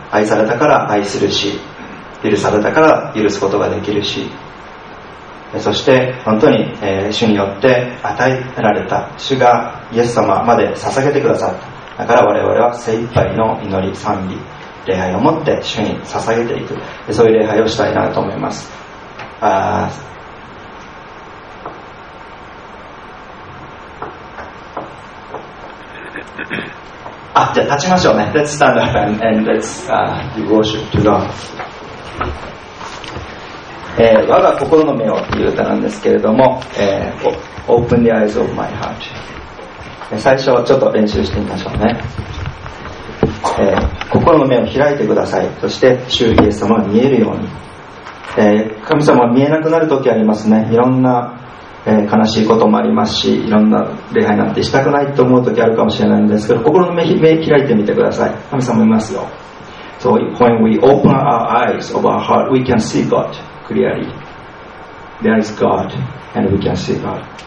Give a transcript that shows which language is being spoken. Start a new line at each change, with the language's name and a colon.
Japanese: 愛されたから愛するし、許されたから許すことができるし、そして本当に、主によって与えられた、主がイエス様まで捧げてくださった、だから我々は精一杯の祈り賛美礼拝を持って主に捧げていく、そういう礼拝をしたいなと思います。あ、じゃあ立ちましょうね。
English: Let's stand up and let's give worship to God。
Japanese: 我が心の目をという歌なんですけれども、
English: Open the eyes of my heart。
Japanese: 最初はちょっと練習してみましょうね。心の目を開いてください。そして主イエス様が見えるように、神様は見えなくなる時ありますね。いろんな、悲しいこともありますし、いろんな礼拝なんてしたくないと思う時あるかもしれないんですけど、心の 目開いてみてください。神様いますよ。
English: So when we open our eyes of our heart, we can see GodClearly, there is God, and we can see God.